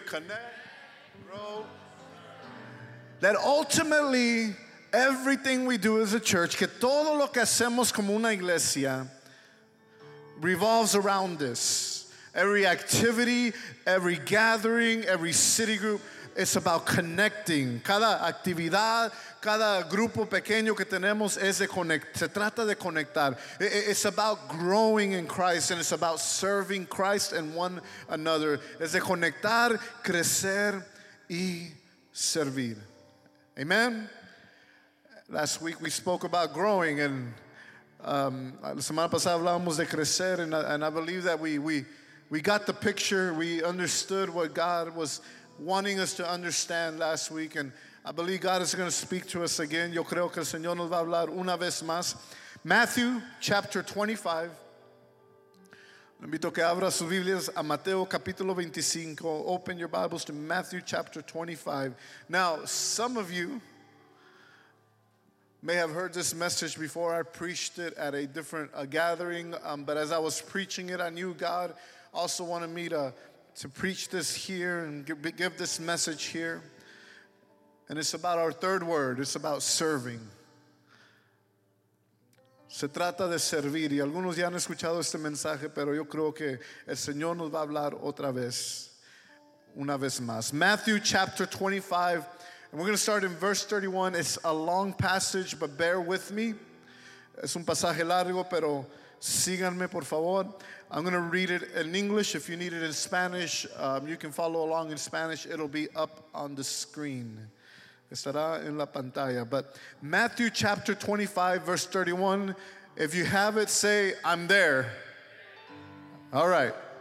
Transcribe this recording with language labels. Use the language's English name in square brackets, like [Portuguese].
[English] Connect, grow, serve. That ultimately, everything we do as a church, [Spanish] que todo lo que hacemos como una iglesia, [English] revolves around this. Every activity, every gathering, every city group, it's about connecting. [Spanish] Cada actividad, cada grupo pequeño que tenemos es de conectar. Se trata de conectar. [English] It's about growing in Christ, and it's about serving Christ and one another. [Spanish] Es de conectar, crecer y servir. Amen. [English] Last week we spoke about growing, and [Spanish] la semana pasada hablamos de crecer, [English] and I believe that we got the picture. We understood what God was wanting us to understand last week, and I believe God is going to speak to us again. [Spanish] Yo creo que el Señor nos va a hablar una vez más. [English] Matthew chapter 25. [Spanish] Le invito a que abra sus Biblias a Mateo capítulo 25. [English] Open your Bibles to Matthew chapter 25. Now, some of you may have heard this message before. I preached it at a different gathering, but as I was preaching it, I knew God also wanted me to preach this here and give this message here. And it's about our third word. It's about serving. [Spanish] Se trata de servir. Y algunos ya han escuchado este mensaje, pero yo creo que el Señor nos va a hablar otra vez, una vez más. [English] Matthew chapter 25, and we're going to start in verse 31. It's a long passage, but bear with me. [Spanish] Es un pasaje largo, pero síganme, por favor. [English] I'm going to read it in English. If you need it in Spanish, you can follow along in Spanish. It'll be up on the screen. [Spanish] Estará en la pantalla. [English] But Matthew chapter 25, verse 31. If you have it, say, I'm there. All right.